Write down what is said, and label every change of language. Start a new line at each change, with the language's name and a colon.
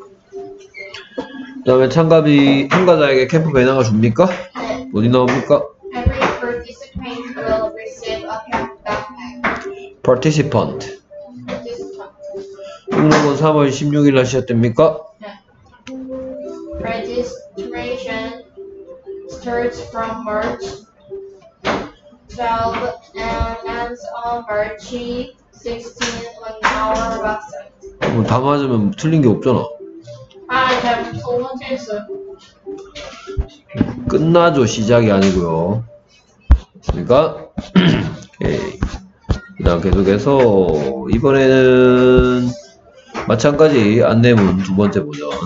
Korean: 그 다음에 참가비 참가자에게 캠프 배낭을 줍니까? 네. 어디 나옵니까?
English: Every participant will receive a camp backpack. Participant. Participant.
Korean: 등록은 3월 16일 날 시작됩니까? 네.
English: Registration starts from March 12 and ends on March 16 on our website.
Korean: 그럼 다 맞으면 틀린 게 없잖아. 아, 잘못했어. 끝나죠, 시작이 아니고요. 그러니까, 오케이. 그다음 계속해서 이번에는 마찬가지 안내문 두 번째 버전.